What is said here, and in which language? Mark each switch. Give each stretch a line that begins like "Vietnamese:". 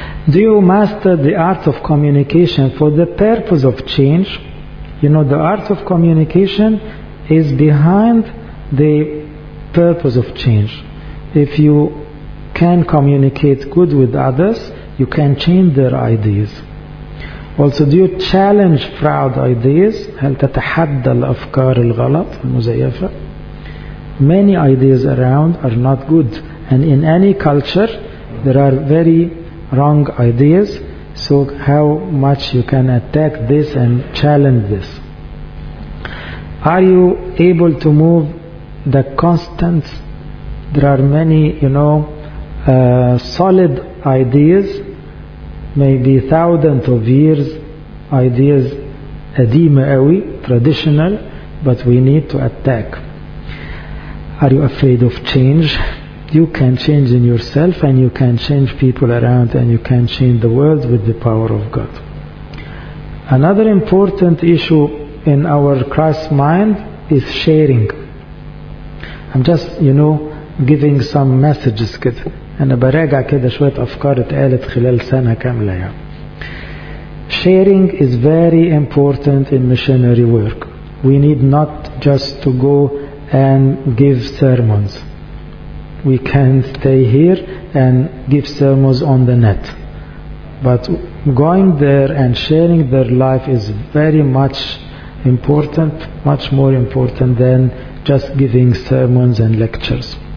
English: Do you master the art of communication for the purpose of change? You know, the art of communication is behind the purpose of change. If you can communicate good with others, you can change their ideas. Also, do you challenge proud ideas?
Arabic: هل تتحدى الأفكار الغلط المزيفة?
English: Many ideas around are not good. And in any culture, there are very wrong ideas. So how much you can attack this and challenge this? Are you able to move the constants? There are many, you know, solid ideas, maybe thousands of years ideas, adimawi, traditional, but we need to attack. Are you afraid of change? You can change in yourself, and you can change people around, and you can change the world with the power of God. Another important issue in our Christ's mind is sharing. I'm just, you know, giving some messages.
Arabic: أنا براجع كده شوية أفكار اتقالت خلال سنة كاملة.
English: Sharing is very important in missionary work. We need not just to go and give sermons. We can stay here and give sermons on the net. But going there and sharing their life is very much important, much more important than just giving sermons and lectures.